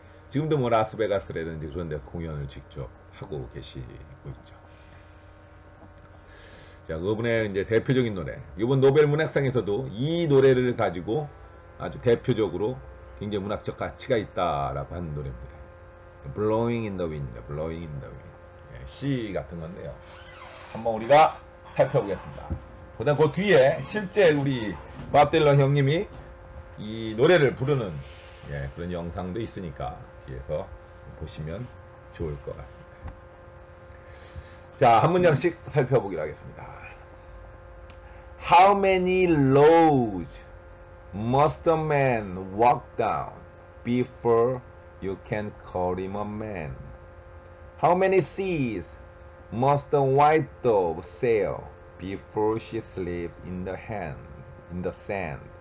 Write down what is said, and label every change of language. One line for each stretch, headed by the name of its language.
Korean: 지금도 라스베가스라든지 그런 데서 공연을 직접 하고 계시고 있죠. 자, 그분의 이제 대표적인 노래. 이번 노벨 문학상에서도 이 노래를 가지고 아주 대표적으로 굉장히 문학적 가치가 있다라고 하는 노래입니다.
English: Blowing in the Wind, Blowing in the Wind.
Korean: 시 같은 건데요. 한번 우리가 살펴보겠습니다. 그다음 그 뒤에 실제 우리 밥 딜런 형님이 이 노래를 부르는 그런 영상도 있으니까 뒤에서 보시면 좋을 것 같습니다. 자, 한 문장씩 살펴보기로 하겠습니다.
English: How many roads must a man walk down before you can call him a man? How many seas must a white dove sail before she sleeps in the sand?